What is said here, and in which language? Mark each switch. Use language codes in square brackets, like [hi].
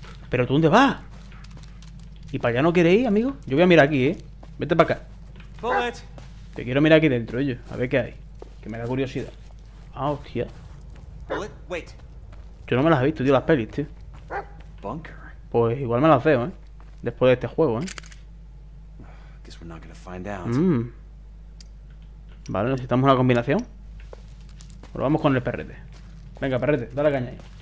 [es] ¿Pero tú dónde vas? ¿Y para allá no quieres ir, amigo? Yo voy a mirar aquí, ¿eh? Vete para acá. [en] Bullet. [es] Te quiero mirar aquí dentro, oye. A ver qué hay. Que me da curiosidad. Ah, hostia. [en] Bullet, wait. [es] Yo no me las he visto, tío, las pelis, tío. [en] Bunker. [es] Pues igual me las veo, Después de este juego, [en] Guess we're not gonna find out. [es] Vale, necesitamos una combinación. Pero vamos con el perrete. Venga, perrete, dale caña ahí.